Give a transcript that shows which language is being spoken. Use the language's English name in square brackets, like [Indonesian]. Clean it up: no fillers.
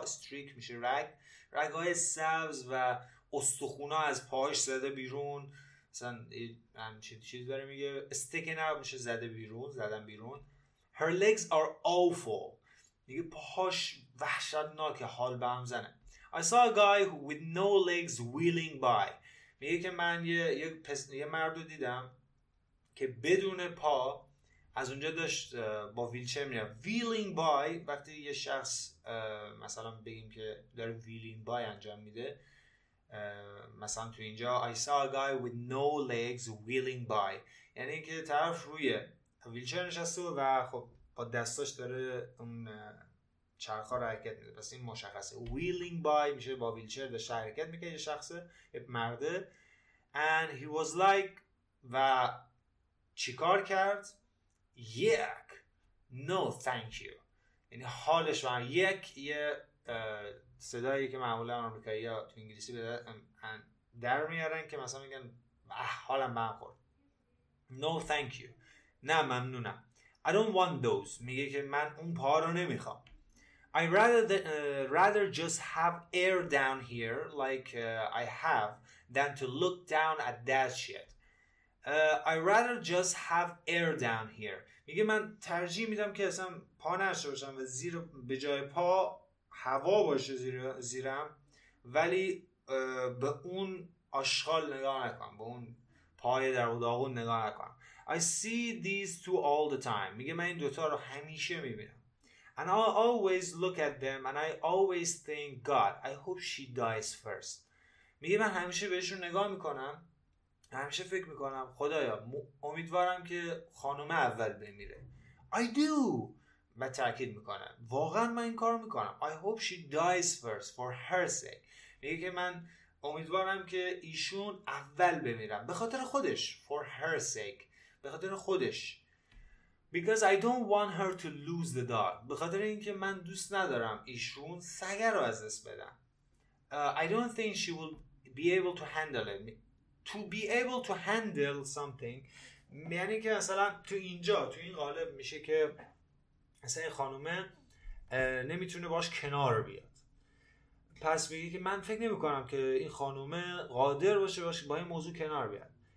[Persian] استریک میشه رگ. رگای سبز و استخونا از پاهاش زده بیرون. مثلا همچین چیز داره میگه. استیکن اوت میشه زده بیرون زدن بیرون. [English] Her legs are awful. [Persian] میگه پاهاش وحشتناکه حال به هم زنه. [English] I saw a guy with no legs wheeling by. [Persian] میگه که من یه مرد رو دیدم که بدون پا از اونجا داشت با ویلچر میره. ویلینگ بای وقتی یه شخص مثلا بگیم که داره ویلینگ بای انجام میده مثلا تو اینجا [English] I saw a guy with no legs wheeling by [Persian] یعنی که طرف روی ویلچر نشسته و خب با دستاش داره اون چرخ ها رو حرکت میده. پس این مشخصه [English] wheeling by [Persian] میشه با ویلچر داشت حرکت میکنه یه شخصه یه مرده. [English] and he was like [Persian] و چیکار کرد؟ [English] Yuck! No, thank you. [Persian] یعنی حالش من یک یه صدایی که معمولا آمریکایی ها تو انگلیسی در میارن که مثلا میگن حالم من خورد. [English] No, thank you. [Persian] نه ممنونم. [English] I don't want those. [Persian] میگه که من اون پا رو نمیخوام. [English] I rather just have air down here like I have than to look down at that shit. I rather just have air down here. [Persian] میگه من ترجیح میدم که اصلا پا نشته باشم و زیر به جای پا هوا باشه زیرم، ولی به اون آشغال نگاه نکنم، به اون پای در داغون نگاه نکنم. [English] I see these two all the time. [Persian] میگه من این دوتا رو همیشه میبینم. [English] And I always look at them and I always think, God, I hope she dies first. [Persian] میگه من همیشه بهشون نگاه میکنم، همیشه فکر میکنم خدایا امیدوارم که خانم اول بمیره. [English] I do. [Persian] و تأکید میکنم واقعا من این کارو میکنم. [English] I hope she dies first for her sake. [Persian] میگه که من امیدوارم که ایشون اول بمیرم به خاطر خودش. [English] For her sake. [Persian] به خاطر خودش. [English] Because I don't want her to lose the dog. [Persian] به خاطر اینکه من دوست ندارم ایشون سگ رو از دست بدن. [English] I don't think she will be able to handle it. To be able to handle something [Persian] یعنی که مثلا تو اینجا تو این قالب میشه که مثلا خانومه نمیتونه باش کنار بیاد. پس میگه که من فکر نمی کنم که این خانومه قادر باشه با این موضوع کنار بیاد.